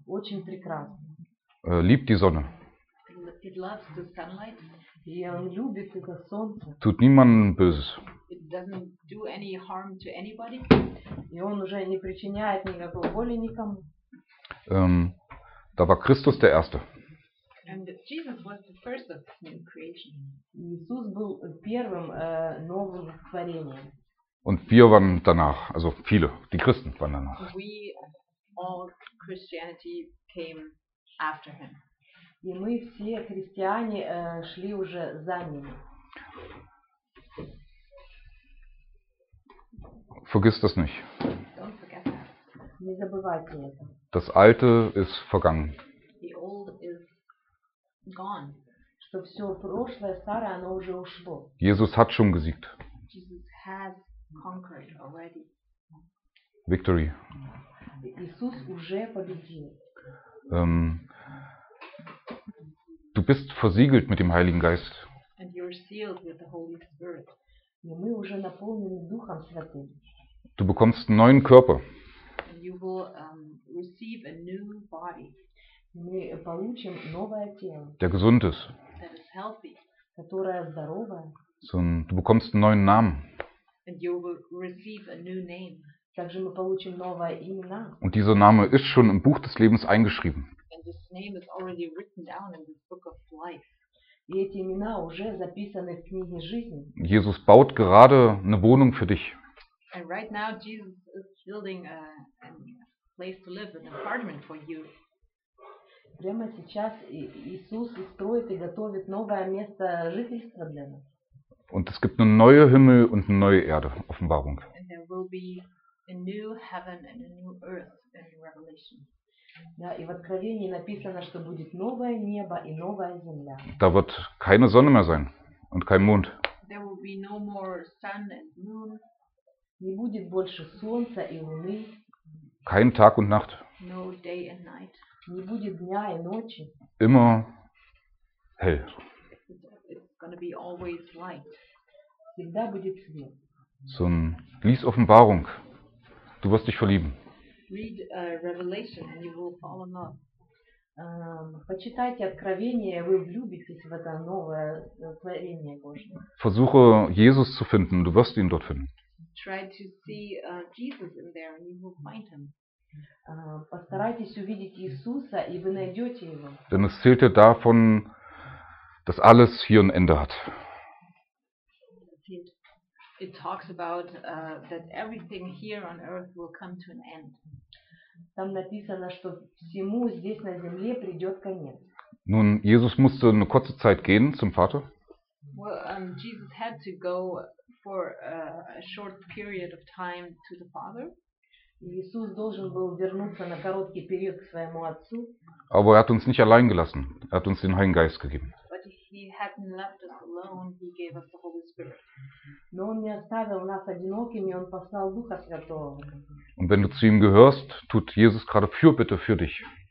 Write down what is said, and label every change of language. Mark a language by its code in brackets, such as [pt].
[ru] Очень прекрасно. [de] Liebt die Sonne. [en] It loves the sunlight. [ru] И он любит это солнце. [de] Тут никому Böses. [en] It doesn't do any harm to anybody. [ru] И он уже не причиняет никакой боли никому. [de] Da war Christus der Erste. [en] And Jesus was the first of his new creation. [ru] Иисус был первым новым творением. [de] Und wir waren danach, also viele, die Christen waren danach. [en] We all Christianity came after him. [ru] И мы все христиане шли уже за ним. [de] Vergiss das nicht. [en] Don't forget that. [ru] Не забывайте это. [de] Das Alte ist vergangen. [en] The old is gone. [ru] Что все прошлое, старое, оно уже ушло. [de] Jesus hat schon gesiegt. [en] Jesus has conquered already. Victory. [ru] Иисус уже победил. [de] Du bist versiegelt mit dem Heiligen Geist. [en] And you are sealed with the Holy Spirit. [ru] И мы уже наполнены Духом Святым. [de] Du bekommst einen neuen Körper. [en] And you will receive a new body. [ru] Мы получим новое тело. [de] Der gesund ist. [en] That is healthy. [ru] Которое здорово. [de] So, du bekommst einen neuen Namen. [en] And you will receive a new name. [ru] Также мы получим новое имя. [de] Und dieser Name ist schon im Buch des Lebens eingeschrieben. [en] And this name is already written down in the book of life. [ru] И эти имена уже записаны в книге жизни. [de] Jesus baut gerade eine Wohnung für dich. [en] And right now Jesus is building a place to live, an apartment for you. [ru] Прямо сейчас Иисус строит и готовит новое место жительства для нас. [de] Und es gibt einen neuen Himmel und eine neue Erde, Offenbarung. [en] And there will be a new heaven and a new earth in Revelation. [ru] Ja, и в Откровении написано, что будет новое небо и новая земля. [de] Da wird keine Sonne mehr sein und kein Mond. [en] There will be no more sun and moon. [ru] Не будет больше солнца и луны. [de] Kein Tag und Nacht. [en] No day and night. [ru] Не будет дня и ночи. [de] Immer hell. [en] Gonna be always light. [ru] Всегда будет свет. [de] So, lies Offenbarung. Du wirst dich verlieben. [en] Read Revelation and you will fall in love. [ru] Почитайте Откровение, вы влюбитесь в это новое творение Божье. [de] Versuche Jesus zu finden, du wirst ihn dort finden. [en] Try to see Jesus in there and you will find him. [ru] Постарайтесь увидеть Иисуса и вы найдете его. [de] Denn es zählt ja davon, dass alles hier ein Ende hat. [en] It talks about that everything here on earth will come to an end. [ru] Там написано, что всему здесь на земле придёт конец. [de] Nun, Jesus musste eine kurze Zeit gehen zum Vater. [en] Well, Jesus had to go for a short period of time to the Father. [ru] Иисус должен был вернуться на короткий период к своему отцу. [de] Aber er hat uns nicht allein gelassen. Er hat uns den Heiligen Geist gegeben. [en] He hadn't left us alone, he gave us the Holy Spirit. [ru] Но он не оставил нас одинокими, он послал Духа Святого. [de] Und wenn du zu ihm gehörst, tut Jesus gerade Fürbitte für dich.